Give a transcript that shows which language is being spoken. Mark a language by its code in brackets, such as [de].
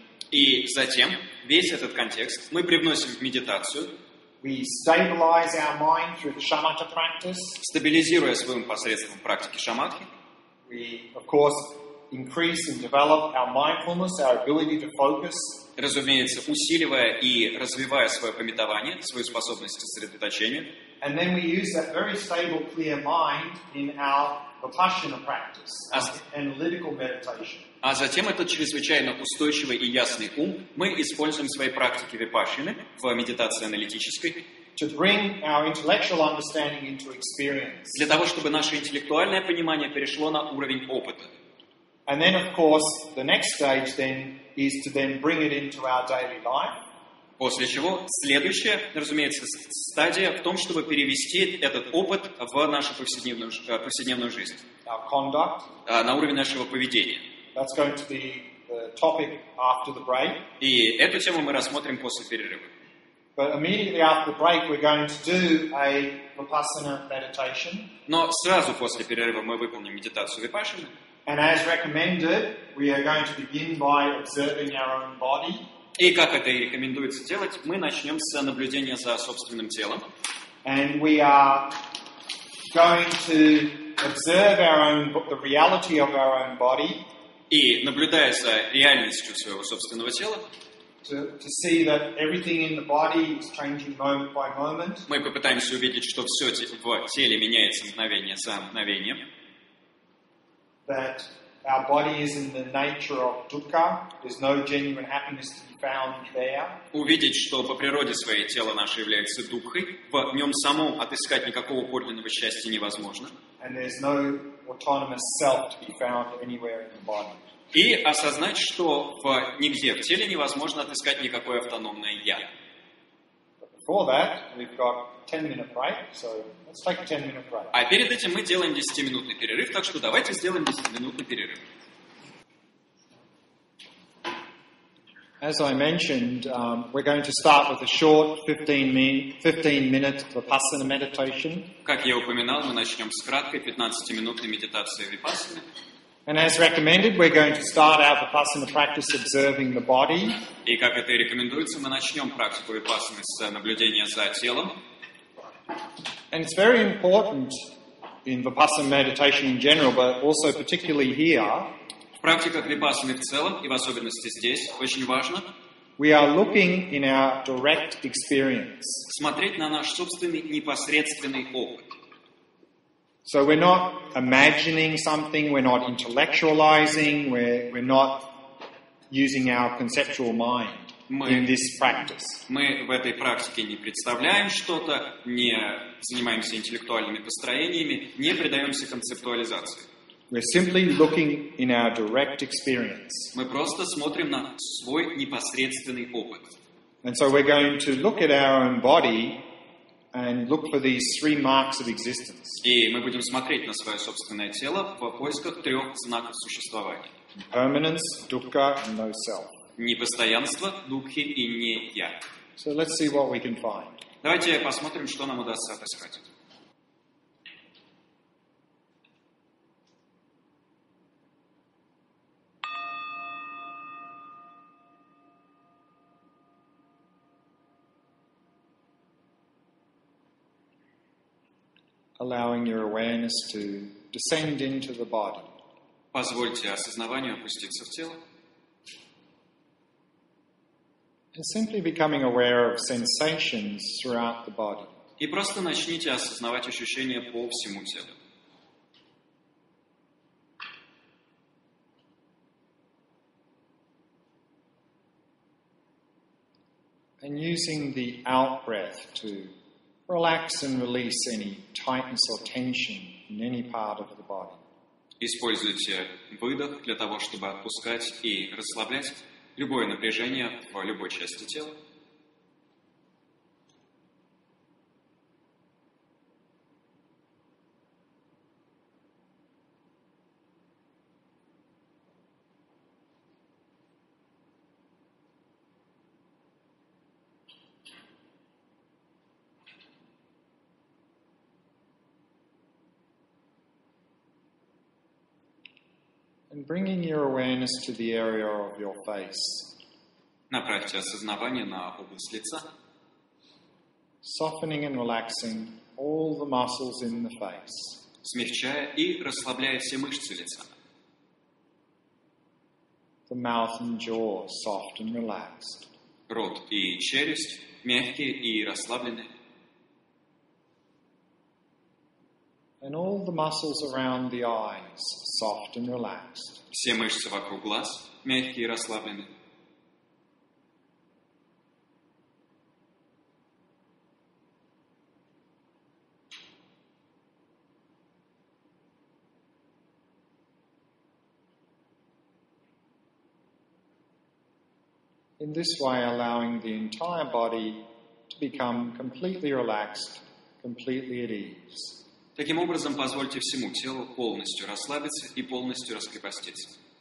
[ru] И затем весь этот контекст мы привносим в медитацию, стабилизируя своим посредством практики шаматхи. Мы, [en] increase and develop our mindfulness, our ability to focus. [ru] Разумеется, усиливая и развивая свое памятование, свою способность к сосредоточению. [en] And then we use that very stable, clear mind in our vipassana practice, analytical meditation. [ru] А затем этот чрезвычайно устойчивый и ясный ум мы используем в своей практике випассаны, в медитации аналитической. [en] To bring our intellectual understanding into experience. [ru] Для того, чтобы наше интеллектуальное понимание перешло на уровень опыта. [en] And then, of course, the next stage then is to then bring it into our daily life. [ru] После чего следующая, разумеется, стадия в том, чтобы перевести этот опыт в нашу повседневную жизнь. [en] Our conduct. [ru] На уровень нашего поведения. [en] That's going to be the topic after the break. [ru] И эту тему мы рассмотрим после перерыва. [en] But immediately after the break, we're going to do a vipassana meditation. [ru] Но сразу после перерыва мы выполним медитацию випассаны. [en] And as recommended, we are going to begin by observing our own body. [ru] И как это и рекомендуется делать, мы начнем с наблюдения за собственным телом. [en] And we are going to observe our own, the reality of our own body. [ru] И наблюдая за реальностью своего собственного тела, [en] to see that everything in the body is changing moment by moment. [ru] Мы попытаемся увидеть, что все в теле меняется мгновение за мгновением. [en] That our body is in the nature of dukkha. There's no genuine happiness to be found there. [ru] Увидеть, что по природе своей тело наше является дукхой, в нем самом отыскать никакого подлинного счастья невозможно. [en] And there's no autonomous self to be found anywhere in the body. [ru] И осознать, что нигде в теле невозможно отыскать никакое автономное я. [en] But before that, we've got 10-minute break, so let's take a 10-minute break. [ru] А перед этим мы делаем 10-минутный перерыв, так что давайте сделаем 10-минутный перерыв. [en] As I mentioned, we're going to start with a short 15-minute vipassana meditation. [ru] Как я упоминал, мы начнем с краткой 15-минутной медитации випассаны. [en] And as recommended, we're going to start our vipassana practice observing the body. [ru] И как это и рекомендуется, мы начнем практику випассаны с наблюдения за телом. [en] And it's very important in vipassana meditation in general, but also particularly here. [ru] В практиках випассаны в целом и в особенности здесь очень важно. [en] We are looking in our direct experience. [ru] Смотреть на наш собственный непосредственный опыт. [en] So we're not imagining something, we're not intellectualizing, we're not using our conceptual mind. [ru] Мы в этой практике не представляем что-то, не занимаемся интеллектуальными построениями, не предаемся концептуализации. [en] We're simply looking in our direct experience. [ru] Мы просто смотрим на свой непосредственный опыт. [en] And so we're going to look at our own body and look for these three marks of existence. [ru] И мы будем смотреть на свое собственное тело в поисках трех знаков существования. [en] Impermanence, dukkha, and no self. [ru] Непостоянство, дукхи и не я. [en] So let's see what we can find. [ru] Давайте посмотрим, что нам удастся отыскать. [en] Allowing your awareness to descend into the body. [ru] Позвольте осознаванию опуститься в тело. [en] And simply becoming aware of sensations throughout the body. [ru] И просто начните осознавать ощущения по всему телу. [en] And using the out breath to relax and release any tightness or tension in any part of the body. [ru] Используйте выдох для того, чтобы отпускать и расслаблять любое напряжение в любой части тела. [en] And bringing your awareness to the area of your face. [ru] Направьте осознавание на область лица. [en] Softening and relaxing all the muscles in the face. [ru] Смягчая и расслабляя все мышцы лица. [en] The mouth and jaw soft and relaxed. [ru] Рот и челюсть мягкие и расслабленные. [en] And all the muscles around the eyes, soft and relaxed. [ru] Все мышцы вокруг глаз мягкие и расслабленные. [en] In this way, allowing the entire body to become completely relaxed, completely at ease. [ru] Таким образом, позвольте всему телу полностью расслабиться и полностью раскрепоститься.